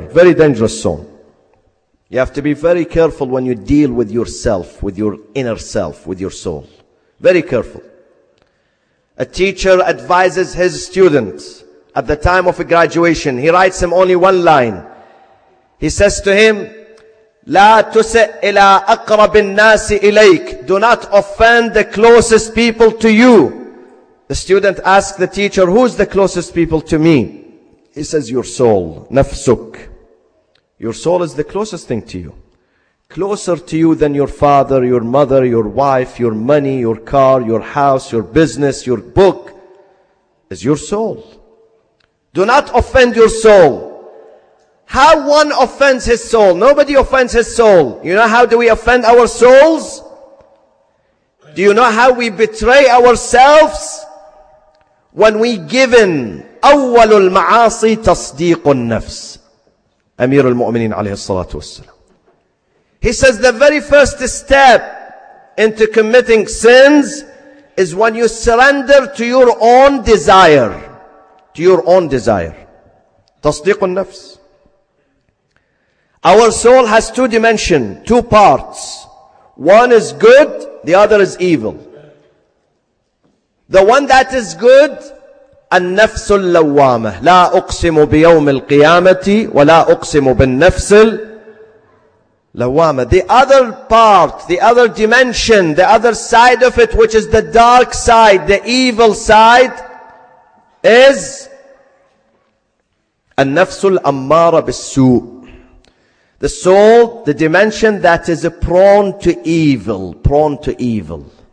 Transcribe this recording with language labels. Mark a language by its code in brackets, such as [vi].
[en] Very dangerous zone. You have to be very careful when you deal with yourself, with your inner self, with your soul. Very careful. A teacher advises his student at the time of a graduation. He writes him only one line. He says to him, [ar] لا تسئ إلى أقرب الناس إليك. [en] Do not offend the closest people to you. The student asks the teacher, who's the closest people to me? He says, your soul, نفسك. Your soul is the closest thing to you. Closer to you than your father, your mother, your wife, your money, your car, your house, your business, your book, is your soul. Do not offend your soul. How one offends his soul? Nobody offends his soul. You know how do we offend our souls? Do you know how we betray ourselves? When we give in, [ar] أول المعاصي تصديق النفس. أمير المؤمنين عليه الصلاة والسلام. [en] He says the very first step into committing sins is when you surrender to your own desire. To your own desire. [ar] تصديق النفس. [en] Our soul has two dimensions, two parts. One is good, the other is evil. The one that is good, [ar] النفس اللوامة. لا أقسم بيوم القيامة ولا أقسم بالنفس لوامة. [en] The other part, the other dimension, the other side of it, which is the dark side, the evil side, is [ar] النفس الأمارة بالسوء. [en] The soul, the dimension that is prone to evil, prone to evil.